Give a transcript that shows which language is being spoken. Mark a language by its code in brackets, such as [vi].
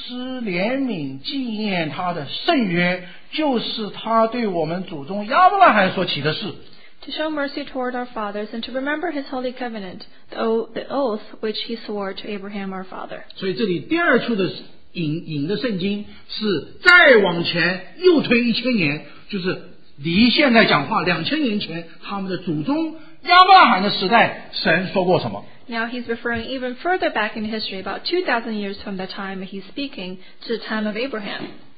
[zh] 向我们列祖施怜悯纪念他的圣约, 就是他对我们祖宗亚伯拉罕所起的誓。 [en] To show mercy toward our fathers and to remember his holy covenant, the oath which he swore to Abraham our father. [zh] 所以这里第二处的引的圣经是再往前又推1000年, 就是离现在讲话2000年前他们的祖宗亚伯拉罕的时代, 神说过什么? [en] Now he's referring even further back in history, about 2,000 years from the time he's speaking to the time of Abraham.